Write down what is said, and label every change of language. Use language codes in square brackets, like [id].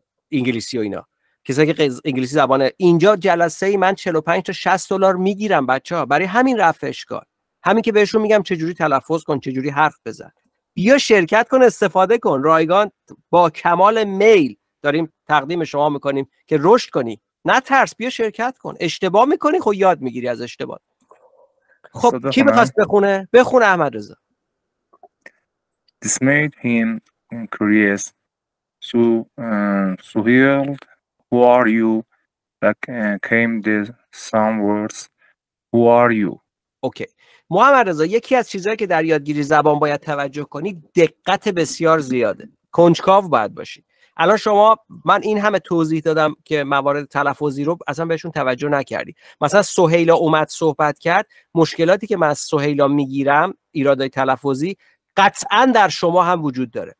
[fa] انگلیسی و اینا، کسایی که انگلیسی زبانه، اینجا جلسه ای من 45 تا 60 دلار میگیرم بچه ها، برای همین رفع اشکال، همین که بهشون میگم چجوری تلفظ کن، چجوری حرف بزن، بیا شرکت کن، استفاده کن، رایگان با کمال میل داریم تقدیم شما میکنیم که رشد کنی، نه ترس، بیا شرکت کن، اشتباه میکنی خب یاد میگیری از اشتباه. خب کی بخواست بخونه؟ بخون احمد رضا. [en] This made him curious so he yelled who are you. Back came the same words who are you. Okay. [fa] محمد رضا، یکی از چیزهایی که در یادگیری زبان باید توجه کنی دقت بسیار زیاده، کنجکاو باید باشی. الان شما، من این همه توضیح دادم که موارد تلفظی رو اصلا بهشون توجه نکردی. مثلا سهیلا اومد صحبت کرد، مشکلاتی که من از سهیلا میگیرم، ایرادای تلفظی، قطعا در شما هم وجود داره.